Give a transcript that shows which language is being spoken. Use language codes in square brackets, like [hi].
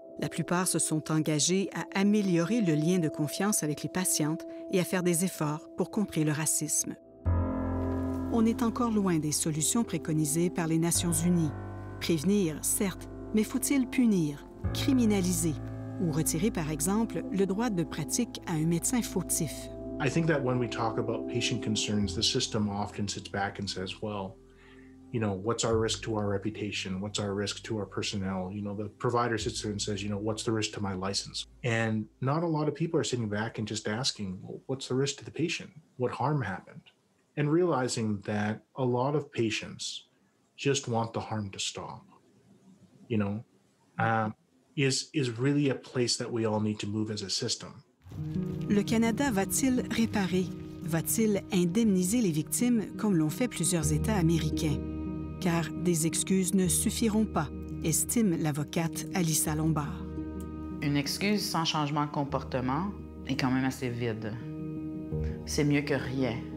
[fr] La plupart se sont engagés à améliorer le lien de confiance avec les patientes et à faire des efforts pour contrer le racisme. On est encore loin des solutions préconisées par les Nations unies. Prévenir, certes, mais faut-il punir, criminaliser ou retirer, par exemple, le droit de pratique à un médecin fautif? [en] I think that when we talk about patient concerns, the system often sits back and says, well, you know, what's our risk to our reputation? What's our risk to our personnel? You know, the provider sits there and says, you know, what's the risk to my license? And not a lot of people are sitting back and just asking, well, what's the risk to the patient? What harm happened? And realizing that a lot of patients just want the harm to stop, you know, is really a place that we all need to move as a system. [fr] Le Canada va-t-il réparer? Va-t-il indemniser les victimes comme l'ont fait plusieurs États américains? Car des excuses ne suffiront pas, estime l'avocate Alyssa Lombard. Une excuse sans changement de comportement est quand même assez vide. C'est mieux que rien.